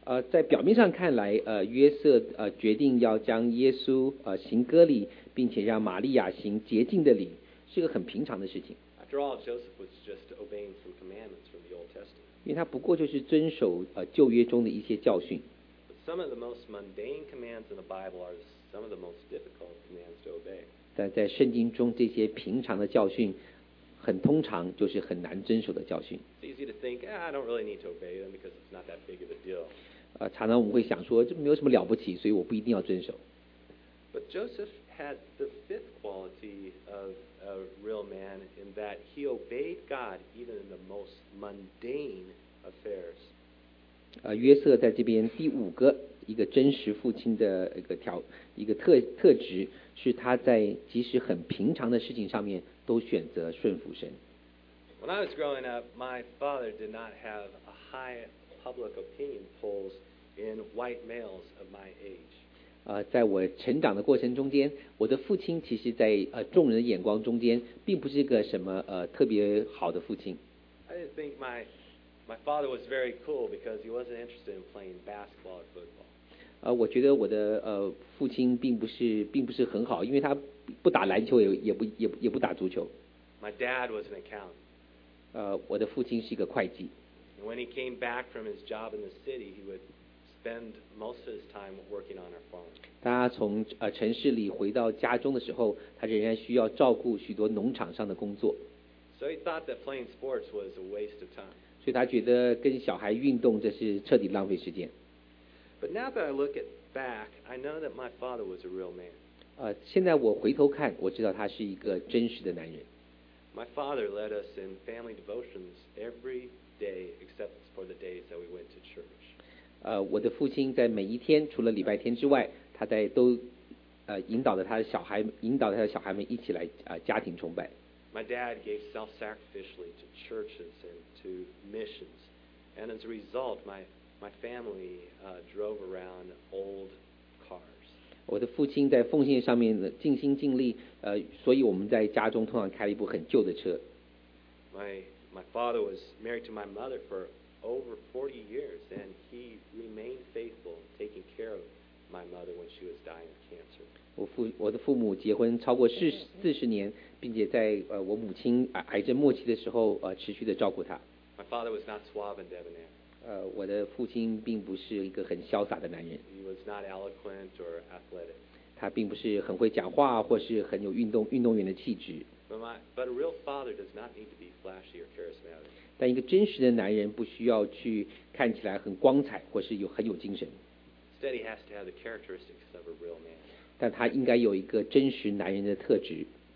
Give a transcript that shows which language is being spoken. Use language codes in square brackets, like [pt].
[zh] 在表面上看来，约瑟决定要将耶稣行割礼，并且让玛利亚行洁净的礼，是个很平常的事情。 [en] After all, Joseph was just obeying some commandments from the Old Testament. [zh] 因为他不过就是遵守旧约中的一些教训。 [en] But some of the most mundane commands in the Bible are some of the most difficult commands to obey. [zh] 但在圣经中，这些平常的教训，很通常就是很难遵守的教训。 [en] It's easy to think, I don't really need to obey them because it's not that big of a deal. [zh] 常常我们会想说，这没有什么了不起，所以我不一定要遵守。 [en] But Joseph had the fifth quality of a real man in that he obeyed God even in the most mundane affairs. [zh] 约瑟在这边第五个一个真实父亲的一个特质，是他在即使很平常的事情上面都选择顺服神。 [en] When I was growing up, my father did not have a high public opinion polls in white males of my age. [zh] 在我成长的过程中间，我的父亲其实在众人的眼光中间，并不是个什么特别好的父亲。 [en] I didn't think my father was very cool because he wasn't interested in playing basketball or football. [zh] 我觉得我的父亲并不是很好，因为他不打篮球，也不打足球。 [en] My dad was an accountant. [zh] 我的父亲是一个会计。 [en] And when he came back from his job in the city, he would spend most of his time working on our farm. [zh] 他从城市里回到家中的时候，他仍然需要照顾许多农场上的工作。 [en] So he thought that playing sports was a waste of time. [zh] 所以他觉得跟小孩运动这是彻底浪费时间。 [en] But now that I look at back, I know that my father was a real man. [zh] 现在我回头看，我知道他是一个真实的男人。 [en] My father led us in family devotions every day except for the days that we went to church. [zh] 我的父亲在每一天，除了礼拜天之外，他在都引导着他的小孩们一起来家庭崇拜。 [en] My dad gave self-sacrificially to churches and to missions, and as a result, my family drove around old cars. [zh] 我的父亲在奉献上面尽心尽力，所以我们在家中通常开了一部很旧的车。 [en] My My father was married to my mother for over 40 years, and he remained faithful, taking care of my mother when she was dying of cancer. [zh] 我的父母结婚超过40年，并且在我母亲癌症末期的时候持续的照顾她。 [en] My father was not suave and debonair. [zh] 我的父亲并不是一个很潇洒的男人。 [en] He was not eloquent or athletic. [zh] 他并不是很会讲话，或是很有运动员的气质。 [en] But a real father does not need to be flashy or charismatic. [zh] 但一个真实的男人不需要去看起来很光彩，或是有很有精神。 [en] Instead, he has to have the characteristics of a real man. [zh] 但他应该有一个真实男人的特质。